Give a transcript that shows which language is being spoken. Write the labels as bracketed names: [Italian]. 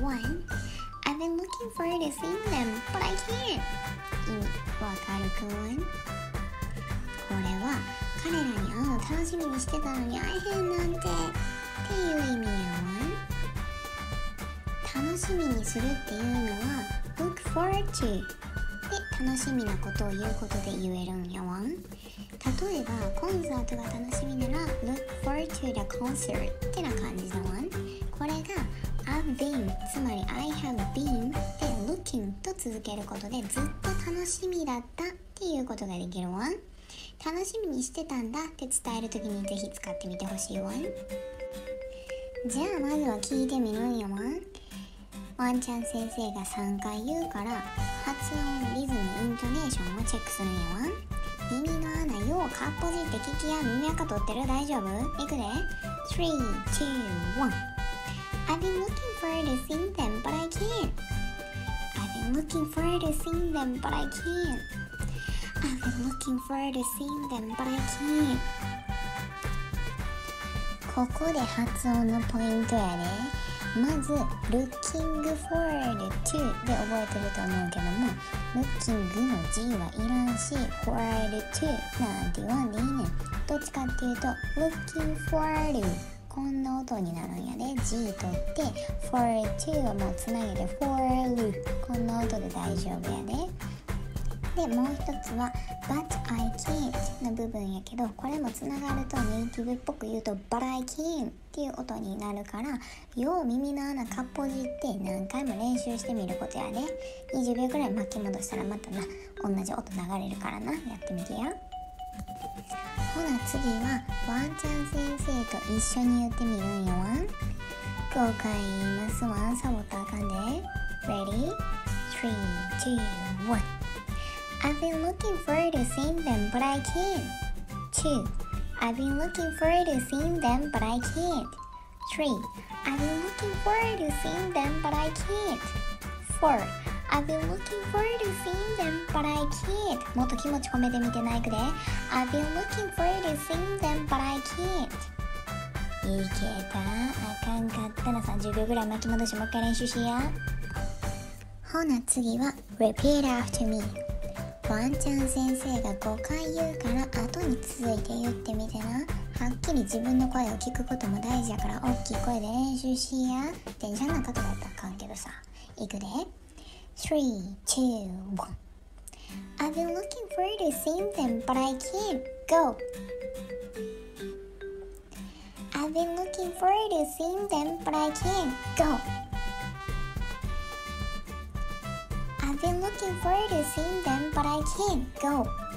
[English] I've been looking forward to seeing them, but I can't. [Japanese] わかるくん、これは彼らに会うの楽しみにしてたのに会えへんなんてっていう意味やわ。楽しみにするっていうのは [English] look forward to [Japanese] で楽しみなことを言うことで言えるんやわ。例えばコンサートが楽しみなら [English] look forward to the concert [Japanese] ってな感じだわ。これが [English] I've been [Japanese] つまり [English] I have been [Japanese] で looking と続けることでずっと楽しみだったっていうことができるわ。楽しみにしてたんだって伝えるときにぜひ使ってみてほしいわ。じゃあまずは聞いてみるんやわ。ワンちゃん先生が3回言うから発音、リズム、イントネーションをチェックするんやわ。耳の穴ようかっぽじって聞きや、耳垢取ってる？大丈夫？いくで。3, 2, 1。 [English] I've been looking forward to seeing them but I can't. Looking forward to seeing them, but I can't. I've been looking forward to seeing them, but I can't. [Japanese] ここで発音のポイントやで。まず、 [English] looking forward to [Japanese] で覚えてると思うけども、looking の G はいらんし、forward to なんて言わんでいいねん。どっちかっていうと、 [English] looking forward to。 [Japanese] こんな音になるんやで。G 取って for to をもうつなげて for to、 こんな音で大丈夫やで。でもう一つは [English] but I can't [Japanese] の部分やけど、これもつながるとネイティブっぽく言うと but I can't っていう音になるから、よう耳の穴かっぽじって何回も練習してみることやで。 20秒くらい巻き戻したらまたな、同じ音流れるからな。やってみてよ。ほな次はワンちゃん先生と一緒に言ってみるんよワン。 5回言いますワン。サボったあかんで。 [English] Ready? 3, 2, 1。 I've been looking forward to seeing them but I can't. 2. I've been looking forward to seeing them but I can't. 3. I've been looking forward to seeing them but I can't. 4. I've been looking forward to seeing them but I can't. [Japanese] もっと気持ち込めてみてないくで。 [English] I've been looking forward to seeing them but I can't. [Japanese] いけた？あかんかったら30秒ぐらい巻き戻し、もう一回練習しや。ほな次は [English] Repeat after me。 [Japanese] ワンちゃん先生が5回言うから後に続いて言ってみてな。はっきり自分の声を聞くことも大事やから、大きい声で練習しや。電車の中とかやったらあかんけどさ。いくで。3, 2, 1。 [English] I've been looking forward to seeing them, but I can't. Go! I've been looking forward to seeing them, but I can't. Go! I've been looking forward to seeing them, but I can't. Go!